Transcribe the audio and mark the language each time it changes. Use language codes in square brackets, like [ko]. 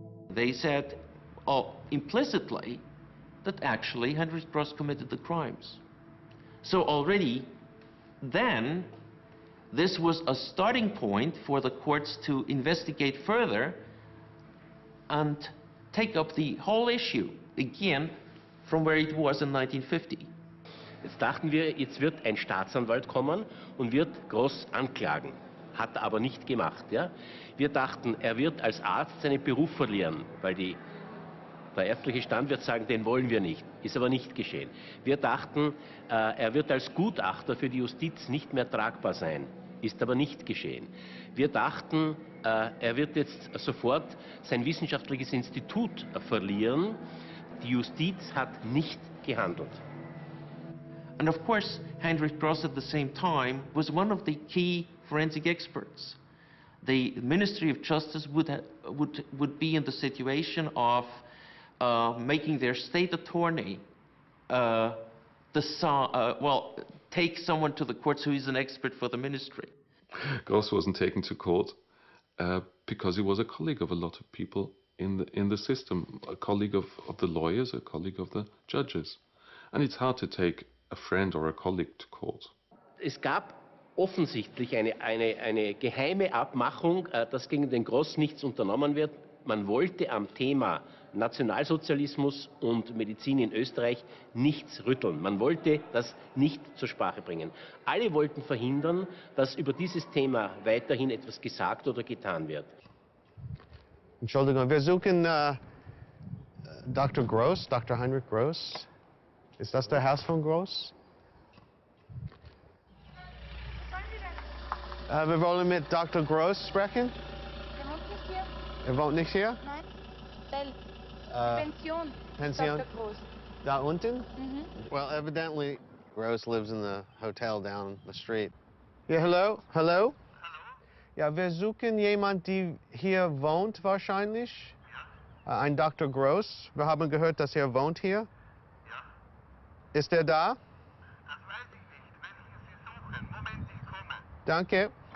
[en] They said, oh, implicitly, that actually Heinrich Gross committed the crimes. So already then, this was a starting point for the courts to investigate further and take up the whole issue again from where it was in 1950. [de] Jetzt dachten wir, jetzt wird ein Staatsanwalt kommen und wird Gross anklagen. Hat er aber nicht gemacht, ja? Wir dachten, er wird als Arzt seinen Beruf verlieren, weil die Der ärztliche Stand wird sagen, den wollen wir nicht. Ist aber nicht geschehen. Wir dachten, er wird als Gutachter für die Justiz nicht mehr tragbar sein. Ist aber nicht geschehen. Wir dachten, er wird jetzt sofort sein wissenschaftliches Institut verlieren. Die Justiz hat nicht gehandelt. [en] And of course, Heinrich Gross at the same time was one of the key forensic experts. The Ministry of Justice would be in the situation of making their state attorney take someone to the courts who is an expert for the ministry. Gross wasn't taken to court because he was a colleague of a lot of people in the system, a colleague of the lawyers, a colleague of the judges. And it's hard to take a friend or a colleague to court. [de] Es gab offensichtlich eine geheime Abmachung, dass gegen den Gross nichts unternommen wird. Man wollte am Thema Nationalsozialismus und Medizin in Österreich nichts rütteln. Man wollte das nicht zur Sprache bringen. Alle wollten verhindern, dass über dieses Thema weiterhin etwas gesagt oder getan wird. Entschuldigung, wir suchen Dr. Gross, Dr. Heinrich Gross. Ist das der Haus von Gross? Wir wollen mit Dr. Gross sprechen. Er wohnt nicht hier. Er wohnt nicht hier? Nein. Pension. Pension. Dr. Gross. Da unten? Mm-hmm. [en] Well, evidently, Gross lives in the hotel down the street. Yeah, hello? Hello? Hello? [de] Ja, wir suchen jemanden, die hier wohnt wahrscheinlich. Ja. Ein Dr. Gross. Wir haben gehört, dass er wohnt hier. Ja. Ist er da? Das weiß ich nicht. Wenn Sie suchen, Moment. Danke.